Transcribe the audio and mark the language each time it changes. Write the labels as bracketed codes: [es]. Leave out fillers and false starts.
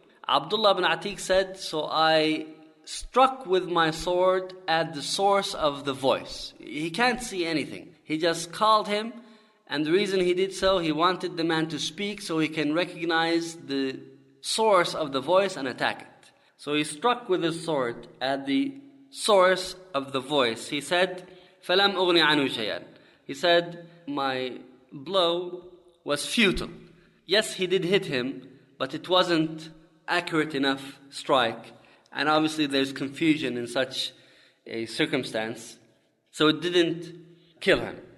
[en] Abdullah ibn Atik said, "So I struck with my sword at the source of the voice." He can't see anything. He just called him, and the reason he did so, he wanted the man to speak so he can recognize the source of the voice and attack it. So he struck with his sword at the source of the voice. He said, [ar] "فَلَمْ أُغْنِي عَنُهُ شَيْئًا." [en] He said, "My blow was futile." Yes, he did hit him, but it wasn't accurate enough strike, and obviously there's confusion in such a circumstance, so it didn't kill him.